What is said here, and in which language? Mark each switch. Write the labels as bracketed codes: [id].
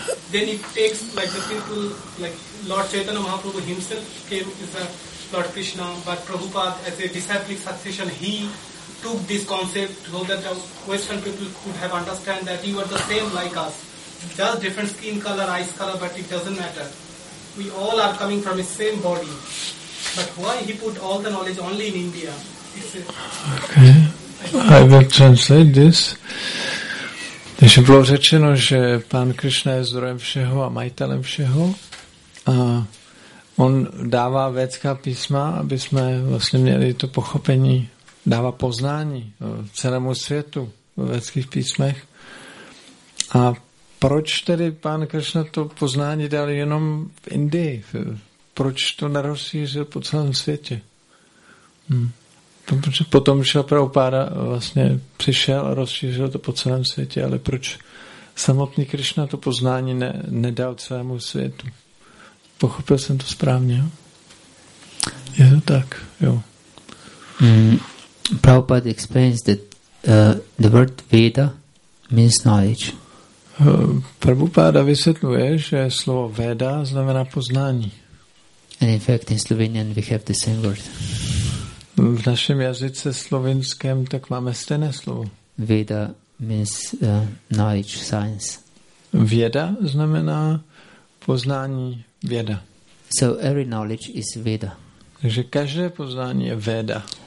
[en] Then it takes like the people, like Lord Chaitanya Mahaprabhu himself came as a Lord Krishna, but Prabhupada as a disciple succession, he took this concept so that the Western people could have understand that you are the same like us. Just different skin color, eyes color, but it doesn't matter. We all are coming from the same body. But why he put all the knowledge only in India? Okay, I will translate this. [cs] Takže bylo řečeno, že pán Krišna je zdrojem všeho a majitelem všeho. A on dává védská písma, aby jsme vlastně měli to pochopení, dává poznání celému světu v védských písmech. A proč tedy pán Krišna to poznání dal jenom v Indii? Proč to nerozšířil po celém světě? Potom šel Prabhupada, vlastně přišel a rozšířil to po celém světě, ale proč samotný Krišna to poznání nedal celému světu? Pochopil jsem to správně, jo? Je to tak, jo. [en] Prabhupada explains that the word Veda means knowledge. [cs] Prabhupada vysvětluje, že slovo Veda znamená poznání. [en] And in fact in Slovenian we have the same word. [cs] V našem jazyce slovinském tak máme stejné slovo. [en] Veda means knowledge, science. [cs] Věda znamená poznání, věda. [en] So every knowledge is Veda. [cs] Takže každé poznání je Veda.